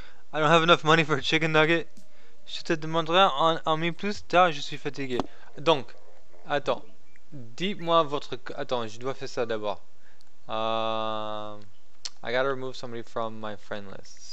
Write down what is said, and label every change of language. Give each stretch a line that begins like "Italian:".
English: I don't have enough money for a chicken nugget.
French: Je te demanderai un, mi plus tard, je suis fatigué. Donc, attends. Dites-moi votre... Attends, je dois faire ça d'abord.
English: I gotta remove somebody from my friend list.